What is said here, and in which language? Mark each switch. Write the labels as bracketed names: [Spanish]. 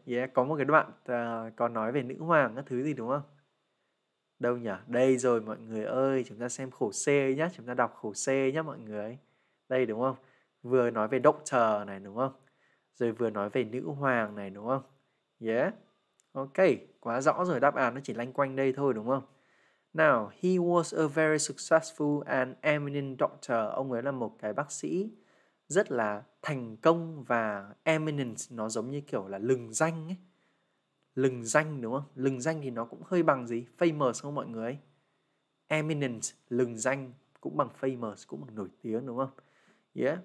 [Vietnamese] Yeah, có một cái đoạn có nói về nữ hoàng các thứ gì đúng không? Đâu nhỉ? Đây rồi mọi người ơi, chúng ta xem khổ C nhé, chúng ta đọc khổ C nhé mọi người. Đây đúng không? Vừa nói về doctor này đúng không? Rồi vừa nói về nữ hoàng này đúng không? Yeah. Ok, quá rõ rồi, đáp án nó chỉ loanh quanh đây thôi đúng không? [English] Now, he was a very successful and eminent doctor. [Vietnamese] Ông ấy là một cái bác sĩ rất là thành công và eminent. Nó giống như kiểu là lừng danh ấy. Lừng danh đúng không? Lừng danh thì nó cũng hơi bằng gì? Famous không mọi người? Eminent, lừng danh cũng bằng famous, cũng bằng nổi tiếng đúng không? Yeah.